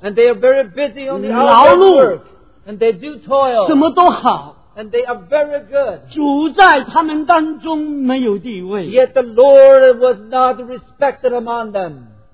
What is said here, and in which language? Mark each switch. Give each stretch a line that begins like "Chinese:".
English: And they are very busy on the outside work. And they do toil.
Chinese: 什么都好。
English: And they are very good.
Chinese: 主在他们当中没有地位。
English: Yet the Lord was not respected among them.